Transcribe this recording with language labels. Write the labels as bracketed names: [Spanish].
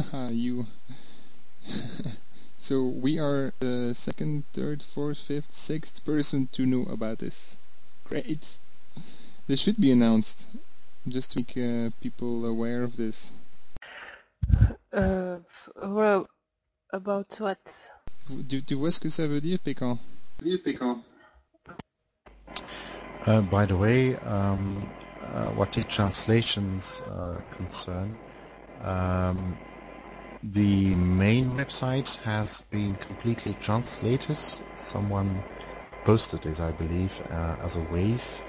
[English] You... So we are the second, third, fourth, fifth, sixth person to know about this. Great. This should be announced, just to make people aware of this. Well, about what? [French] Tu vois ce que ça veut dire, Pécan? [English] By the way, what the translations concern, the main website has been completely translated. Someone posted this, I believe, as a wave.